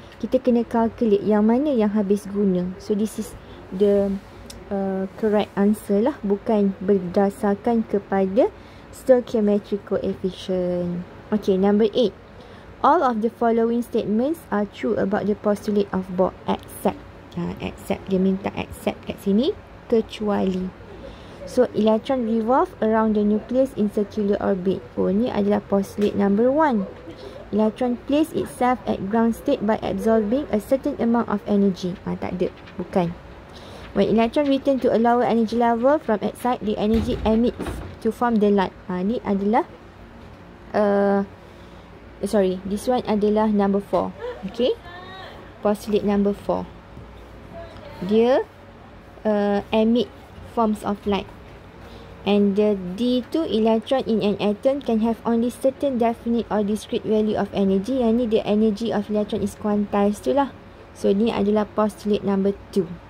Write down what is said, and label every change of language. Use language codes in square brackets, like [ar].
[ms] Kita kena calculate yang mana yang habis guna. [en] So this is the correct answer [ms] lah, bukan berdasarkan kepada stoichiometric coefficient. [en] Okay, number 8. All of the following statements are true about the postulate of Bohr, except. [ms] Except, dia minta except kat sini, kecuali. [en] So, electron revolve around the nucleus in circular orbit. [ms] Oh, ni adalah postulate number 1. [en] Electron place itself at ground state by absorbing a certain amount of energy. [ms] Tak ada, bukan. [en] When electron return to a lower energy level from outside, the energy emits to form the light. [ms] Ni adalah [en] this one [ms] adalah number 4. [en] Okay. Postulate number 4. Dia emit forms of light. And the D2 electron in an atom can have only certain definite or discrete value of energy. [ms] Yang ni [en] the energy of electron is quantized [ms] tu lah. So, ni adalah postulate number 2.